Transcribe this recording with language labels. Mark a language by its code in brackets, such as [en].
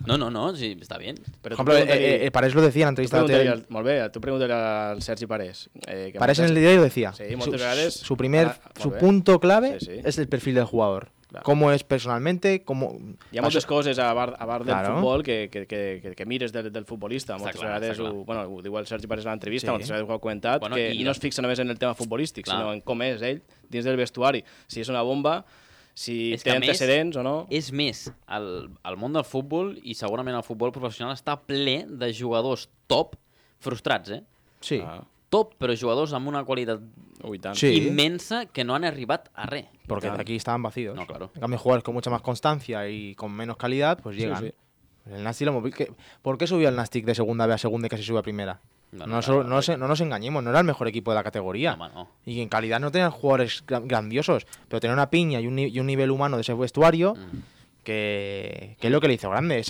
[es] No, sí, está bien. Pero por ejemplo, Parés lo decía en la entrevista. Tú pregúntale al Sergi Parés. Parés en el diario decía. Sí, Montes su primer, su punto clave es el perfil del jugador. Claro. Cómo es personalmente, cómo... [ca] Hi ha moltes coses a bar del futbol que mires del futbolista. Moltes vegades, ho diu el Sergi Parés en l'entrevista, sí. Moltes vegades ho ha comentat, bueno, que no es fixa només en el tema futbolístic, clar. Sinó en com és ell dins del vestuari. Si és una bomba, si és té antecedents més, o no... És més, el món del futbol i segurament el futbol professional està ple de jugadors top frustrats, eh? Sí. Top, però jugadors amb una qualitat immensa que no han arribat a res. [es] Porque aquí estaban vacíos. No, claro. En cambio, jugadores con mucha más constancia y con menos calidad, pues llegan. Sí, sí. El Nastic lo movió. ¿Por qué subió el Nastic de segunda B a segunda y casi sube a primera? No nos engañemos, no era el mejor equipo de la categoría. No. Y en calidad no tenían jugadores grandiosos, pero tenía una piña y un nivel humano de ese vestuario que es lo que le hizo grande.